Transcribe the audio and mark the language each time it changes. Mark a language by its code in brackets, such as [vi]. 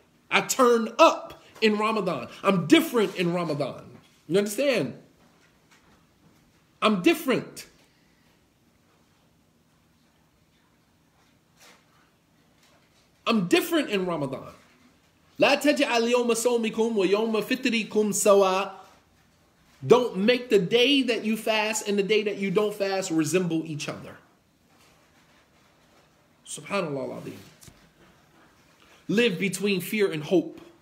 [en] I turn up in Ramadan. I'm different in Ramadan. You understand? I'm different. I'm different in Ramadan. [ar] لا تجعل يوم صومكم ويوم فطركم سواء. [en] Don't make the day that you fast and the day that you don't fast resemble each other. Subhanallah al-Azim. Live between fear and hope.